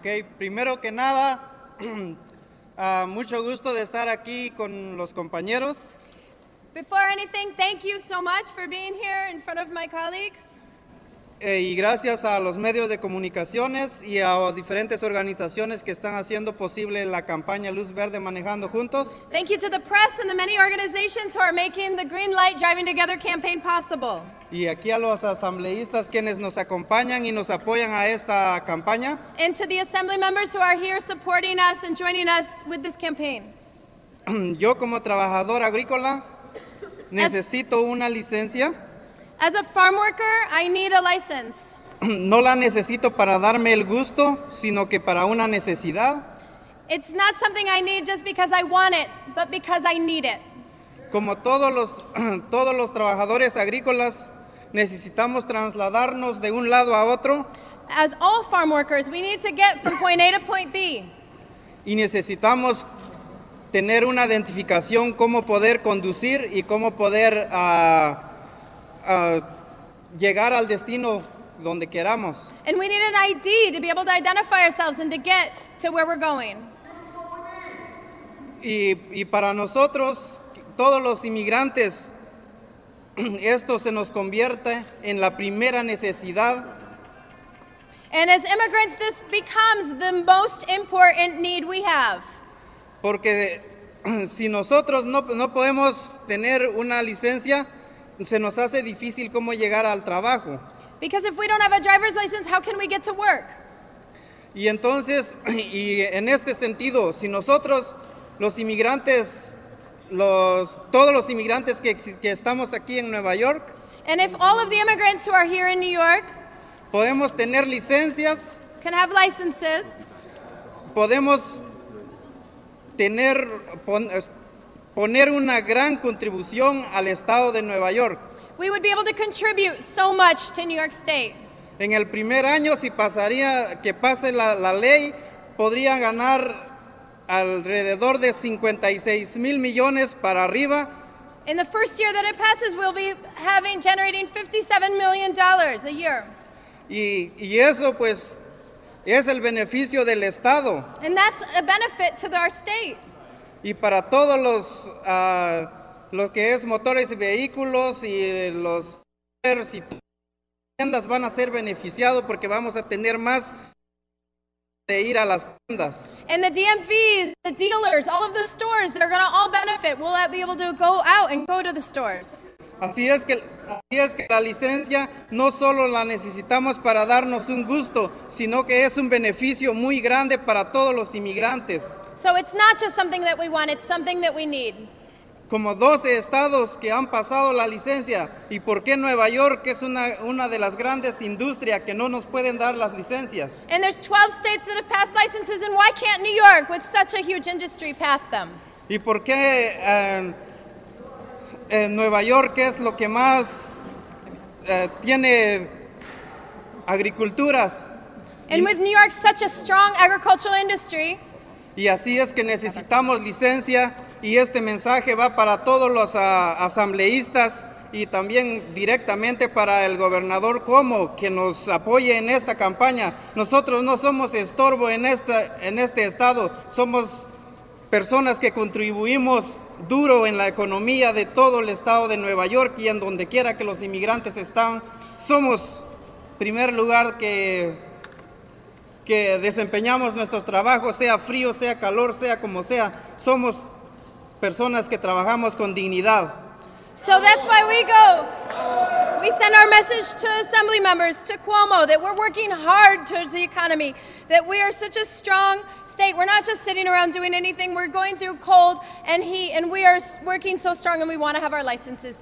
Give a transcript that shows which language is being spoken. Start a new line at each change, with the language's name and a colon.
Spanish: Okay, primero que nada, mucho gusto de estar aquí con los compañeros.
English: Before anything, thank you so much for being here in front of my colleagues.
Spanish: Y gracias a los medios de comunicaciones y a diferentes organizaciones que están haciendo posible la campaña Luz Verde Manejando Juntos.
English: Thank you to the press and the many organizations who are making the Green Light Driving Together campaign possible.
Spanish: Y aquí a los asambleístas quienes nos acompañan y nos apoyan a esta campaña.
English: And to the assembly members who are here supporting us and joining us with this campaign.
Spanish: Yo como trabajador agrícola necesito una licencia.
English: As a farm worker, I need a license.
Spanish: No la necesito para darme el gusto, sino que para una necesidad.
English: It's not something I need just because I want it, but because I need it.
Spanish: Como todos los trabajadores agrícolas, necesitamos trasladarnos de un lado a otro.
English: As all farm workers, we need to get from point A to point B.
Spanish: Y necesitamos tener una identificación cómo poder conducir y cómo poder llegar al destino donde queramos.
English: And we need an ID to be able to identify ourselves and to get to where we're going.
Spanish: Y para nosotros, todos los inmigrantes, esto se nos convierte en la primera necesidad.
English: And as immigrants, this becomes the most important need we have.
Spanish: Porque si nosotros no podemos tener una licencia, se nos hace difícil cómo llegar al trabajo.
English: Because if we don't have a driver's license, how can we get to work?
Spanish: Y entonces, y en este sentido, si nosotros, los inmigrantes, todos los inmigrantes que estamos aquí en Nueva York,
English: and if all of the immigrants who are here in New York,
Spanish: podemos tener licencias,
English: can have licenses,
Spanish: podemos tener, poner una gran contribución al estado de Nueva York.
English: We would be able to contribute so much to New York State.
Spanish: En el primer año, si pasaría que pase la ley, podría ganar alrededor de 56 mil millones para arriba.
English: In the first year that it passes, we'll be generating $57 million a year.
Spanish: Y eso pues es el beneficio del estado.
English: And that's a benefit to our state.
Spanish: Y para todos los que es motores y vehículos y los tiendas van a ser beneficiados porque vamos a tener más de ir a las tiendas.
English: And the DMVs, the dealers, all of the stores, they're going to all benefit. We'll be able to go out and go to the stores.
Spanish: Así es que la licencia no solo la necesitamos para darnos un gusto, sino que es un beneficio muy grande para todos los inmigrantes.
English: So it's not just something that we want, it's something that we need.
Spanish: Como 12 estados que han pasado la licencia, ¿y por qué Nueva York es una de las grandes industrias que no nos pueden dar las licencias?
English: And there's 12 states that have passed licenses, and why can't New York, with such a huge industry, pass them?
Spanish: ¿Y por qué Nueva York es lo que más tiene agriculturas?
English: And with New York such a strong agricultural industry,
Spanish: y así es que necesitamos licencia, y este mensaje va para todos los asambleístas y también directamente para el gobernador Cuomo, que nos apoye en esta campaña. Nosotros no somos estorbo en este estado, somos personas que contribuimos duro en la economía de todo el estado de Nueva York y en donde quiera que los inmigrantes están. Somos primer lugar que desempeñamos nuestros trabajos, sea frío, sea calor, sea como sea, somos personas que trabajamos con dignidad.
English: So that's why we go. We send our message to assembly members, to Cuomo, that we're working hard towards the economy, that we are such a strong state. We're not just sitting around doing anything. We're going through cold and heat, and we are working so strong, and we want to have our licenses.